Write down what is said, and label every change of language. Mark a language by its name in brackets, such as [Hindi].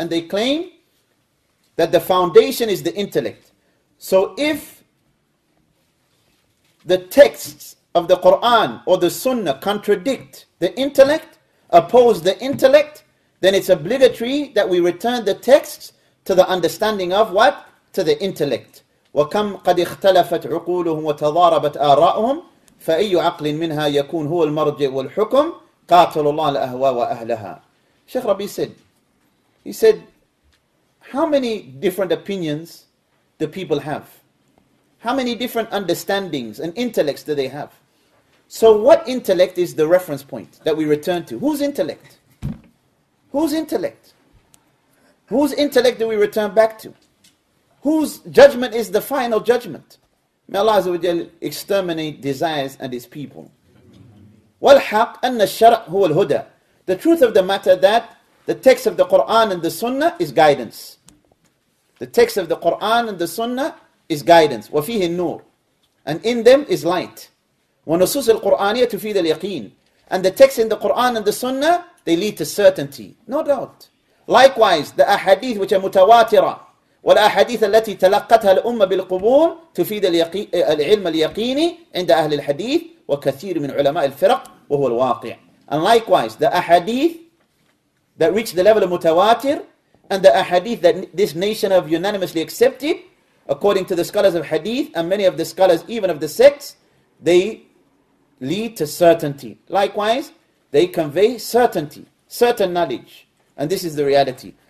[English] And they claim that the foundation is the intellect. So if the texts of the Quran or the Sunnah contradict the intellect, oppose the intellect, then it's obligatory that we return the texts to the understanding of what? To the intellect. [Arabic] وَكَمْ قَدْ اخْتَلَفَتْ عُقُولُهُمْ وَتَضَارَبَتْ آرَاؤُهُمْ فأي عقل منها يكون هو المرجع والحكم قاتل الله الأهواء وأهلها. [English] Sheikh Rabi said, he said, how many different opinions the people have? How many different understandings and intellects do they have? So what intellect is the reference point that we return to? Whose intellect? Whose intellect? Whose intellect do we return back to? Whose judgment is the final judgment? May Allah Azza wa Jal exterminate desires and his people. [Arabic] وَالْحَقْ أَنَّ الشَّرْعُ هُوَ الْهُدَى. [English] The truth of the matter that the text of the Qur'an and the Sunnah is guidance. The text of the Qur'an and the Sunnah is guidance. [Arabic] وَفِيهِ النُّورِ. [English] And in them is light. [Arabic] وَنُصُوصِ الْقُرْآنِيَةُ تُفِيدَ الْيَقِينِ. [English] And the text in the Qur'an and the Sunnah, they lead to certainty. No doubt. Likewise, the ahadith which are mutawatira, [Arabic] والأحاديث التي تلقتها الأمة بالقبول تفيد العلم اليقيني عند أهل الحديث وكثير من علماء الفرق وهو الواقع. [English] And likewise, the ahadith that reached the level of mutawatir and the ahadith that this nation have unanimously accepted, according to the scholars of hadith and many of the scholars even of the sects, they lead to certainty. Likewise, they convey certainty, certain knowledge. And this is the reality.